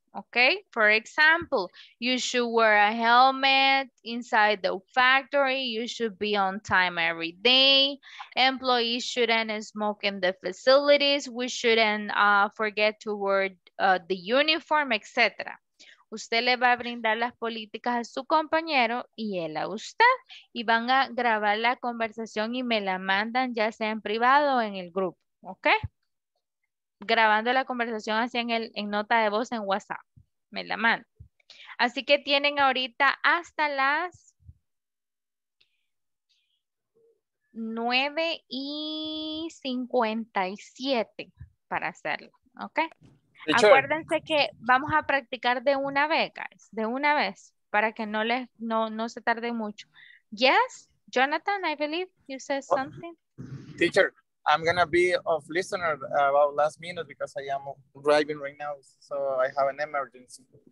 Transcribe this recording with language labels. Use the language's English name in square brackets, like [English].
[English] Okay, for example, you should wear a helmet inside the factory. You should be on time every day. Employees shouldn't smoke in the facilities. We shouldn't forget to wear the uniform, etc. [Spanish] Usted le va a brindar las políticas a su compañero y él a usted. Y van a grabar la conversación y me la mandan ya sea en privado o en el grupo. Okay. Grabando la conversación así en nota de voz en WhatsApp, me la mando. Así que tienen ahorita hasta las 9:57 para hacerlo, ¿ok? Teacher. Acuérdense que vamos a practicar de una vez, guys, de una vez, para que no, les, no, no se tarde mucho. [English] Yes, Jonathan, I believe you said something. Teacher. I'm going to be off listener about last minute because I am driving right now, so I have an emergency.